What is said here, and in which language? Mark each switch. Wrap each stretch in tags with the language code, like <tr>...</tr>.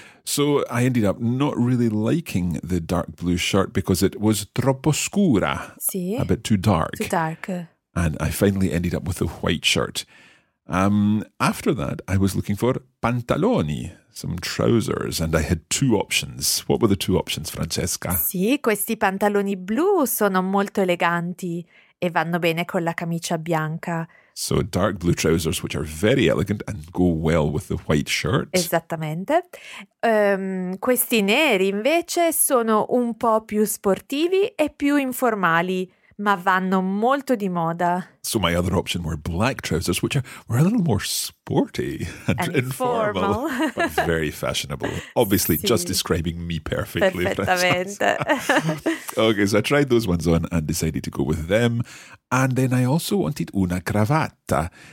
<en>So I ended up not really liking the dark blue shirt because it was</en> <it>troppo scura. Sì.</it> <en>A bit too dark. Too dark. And I finally ended up with the white shirt. After that, I was looking for pantaloni, some trousers, and I had two options. What were the two options, Francesca?</en> <it>Sì, questi pantaloni blu sono molto eleganti e vanno bene con la camicia bianca.</it> <en>So dark blue trousers, which are very elegant and go well with the white shirt.</en> <it>Esattamente. Questi neri, invece, sono un po' più sportivi e più informali, ma vanno molto di moda.</it> <en>So my other option were black trousers, which were a little more sporty and informal. But very fashionable. Obviously, sì. just describing me perfectly.</en> <it>Perfettamente.</it> <en>Okay, so I tried those ones on and decided to go with them. And then I also wanted</en> <it>una cravatta.</it>